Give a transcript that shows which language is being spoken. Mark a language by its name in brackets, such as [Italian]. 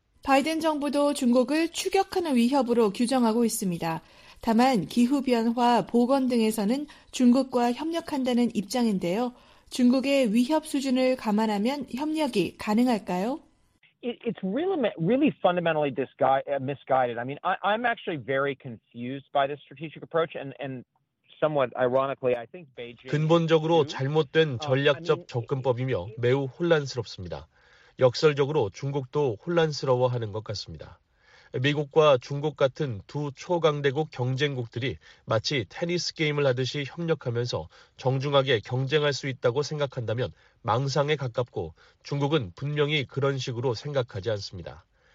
[Korean] 바이든 정부도 중국을 추격하는 위협으로 규정하고 있습니다. 다만 기후변화, 보건 등에서는 중국과 협력한다는 입장인데요. 중국의 위협 수준을 감안하면 협력이 가능할까요? [English] It's really fundamentally misguided. I mean, I'm actually very confused by this strategic approach and somewhat ironically, I think Beijing [Korean] 근본적으로 잘못된 전략적 접근법이며 매우 혼란스럽습니다. 역설적으로 중국도 혼란스러워하는 것 같습니다. 미국과 중국 같은 두 초강대국 경쟁국들이 마치 테니스 게임을 하듯이 협력하면서 정중하게 경쟁할 수 있다고 생각한다면 망상에 가깝고 중국은 분명히 그런 식으로 생각하지 않습니다.